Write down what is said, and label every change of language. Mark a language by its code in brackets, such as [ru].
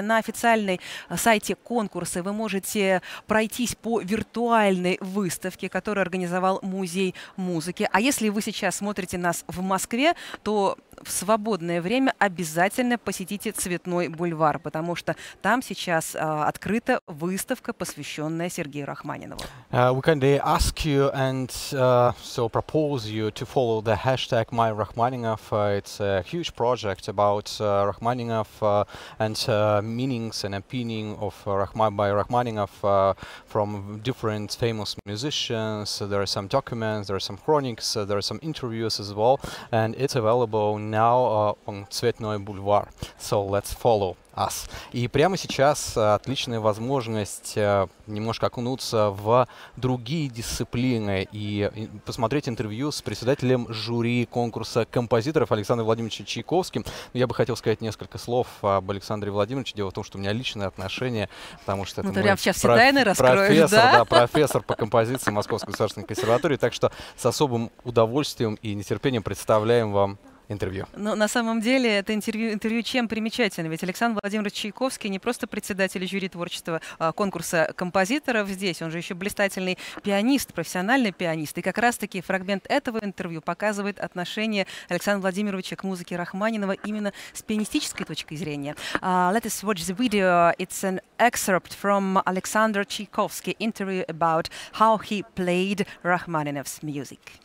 [ru] На официальной сайте конкурса вы можете пройтись по виртуальной выставке, которую организовал Музей музыки. А если вы сейчас смотрите нас в Москве, то в свободное время обязательно посетите Цветной бульвар, потому что там сейчас открыта выставка, посвященная Сергею Рахманинову. [en] We kind of ask you and so propose you to follow the hashtag #MyRachmaninov. It's a huge project about Rachmaninov and meanings and opinion of Rachmaninov from different famous musicians. There are some documents, there are some chronicles, there are some interviews as well, and it's available now on Цветной бульвар. So let's follow us. [ru] И прямо сейчас отличная возможность немножко окунуться в другие дисциплины и посмотреть интервью с председателем жюри конкурса композиторов Александром Владимировичем Чайковским. Но я бы хотел сказать несколько слов об Александре Владимировиче. Дело в том, что у меня личное отношение, потому что это профессор по композиции Московской государственной консерватории. Так что с особым удовольствием и нетерпением представляем вам интервью. Но на самом деле это интервью чем примечательно? Ведь Александр Владимирович Чайковский не просто председатель жюри творчества конкурса композиторов здесь, он же еще блистательный пианист, профессиональный пианист. И как раз-таки фрагмент этого интервью показывает отношение Александра Владимировича к музыке Рахманинова именно с пианистической точки зрения. [en] Let us watch the video. It's an excerpt from Alexander Tchaikovsky interview about how he played Rachmaninoff's music.